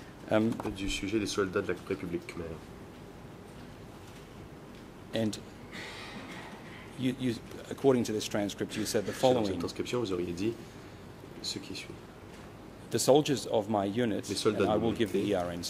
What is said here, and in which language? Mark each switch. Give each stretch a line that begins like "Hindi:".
French: Du sujet des soldats de la République Khmer.
English: And you, according to this transcript, you said the following.
French: Dans cette transcription, vous auriez dit ce qui suit.
English: The soldiers of my unit, and I will give the ERNs